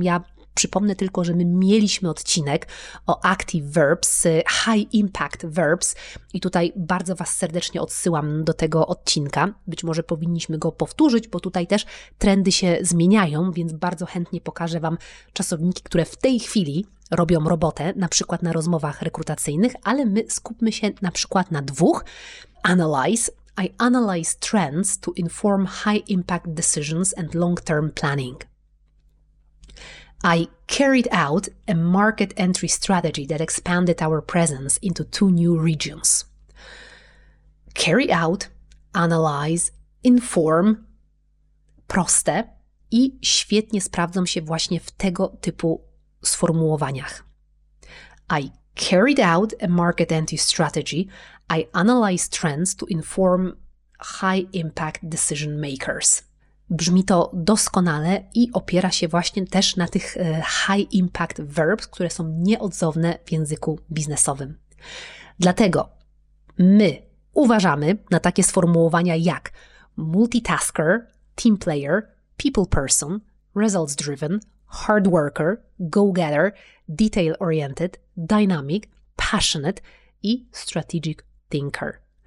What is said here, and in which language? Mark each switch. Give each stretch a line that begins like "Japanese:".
Polish: Ja przypomnę tylko, że my mieliśmy odcinek o active verbs, high impact verbs i tutaj bardzo Was serdecznie odsyłam do tego odcinka. Być może powinniśmy go powtórzyć, bo tutaj też trendy się zmieniają, więc bardzo chętnie pokażę Wam czasowniki, które w tej chwili robią robotę, na przykład na rozmowach rekrutacyjnych, ale my skupmy się na przykład na dwóch.
English: Analyze. I analyze trends to inform high-impact decisions and long-term planning. I carried out a market entry strategy that expanded our presence into two new regions. Carry out, analyze, inform.
Polish: Proste i świetnie sprawdzą się właśnie w tego typu sformułowaniach.
English: I carried out a market entry strategy. I analyze trends to inform high impact decision makers.
Polish: Brzmi to doskonale i opiera się właśnie też na tych high impact verbs, które są nieodzowne w języku biznesowym. Dlatego my uważamy na takie sformułowania jak multitasker, team player, people person, results driven, hard worker, go-getter, detail oriented, dynamic, passionate i strategic thinker.